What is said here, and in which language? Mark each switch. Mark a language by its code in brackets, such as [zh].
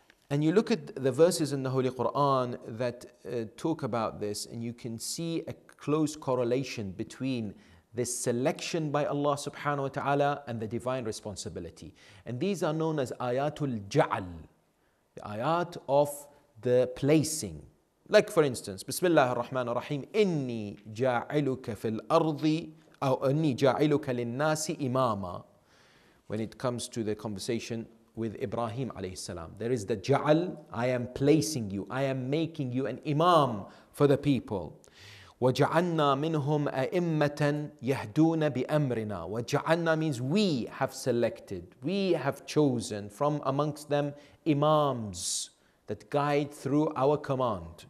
[en] And you look at the verses in the Holy Qur'an that talk about this, and you can see a close correlation between this selection by Allah subhanahu wa ta'ala and the divine responsibility. And these are known as ayatul ja'al, the ayat of the placing. Like for instance, [ar] Bismillah ar-Rahman ar-Rahim, إِنِّي جَاعِلُكَ فِي الْأَرْضِ أَوْ إِنِّي جَاعِلُكَ لِلنَّاسِ إِمَامًا. [en] When it comes to the conversation with Ibrahim alayhi salam, there is the ja'al, I am placing you, I am making you an imam for the people. [ar] وَجَعَلْنَا مِنْهُمْ أَئِمَّةً يَهْدُونَ بِأَمْرِنَا. [en] وَجَعَلْنَا means we have selected, we have chosen from amongst them imams that guide through our command.